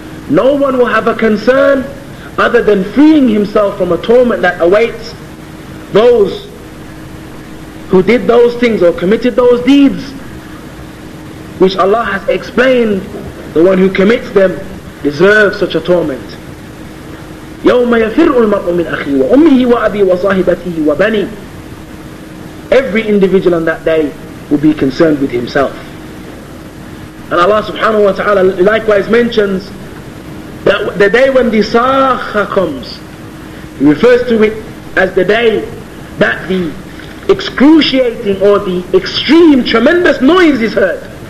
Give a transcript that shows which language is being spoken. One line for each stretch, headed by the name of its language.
English: No one will have a concern other than freeing himself from a torment that awaits those who did those things or committed those deeds, which Allah has explained, the one who commits them deserve such a torment.
Arabic: يوم يفر المرء من أخيه وأمه وأبي وصاحبته وبني.
English: Every individual on that day will be concerned with himself. And Allah subhanahu wa ta'ala likewise mentions that the day when the sakha comes, he refers to it as the day that the excruciating or the extreme tremendous noise is heard.